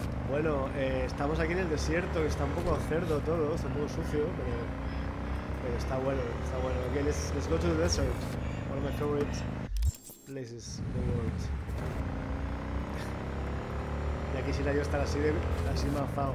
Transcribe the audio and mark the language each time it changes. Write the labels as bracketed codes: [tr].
[es] Bueno, estamos aquí en el desierto, que está un poco cerdo todo, está un poco sucio, pero está bueno, está bueno. [en] Okay, let's go to the desert. One of my favorite places in the world. [es] Ya quisiera yo estar así de así mafado.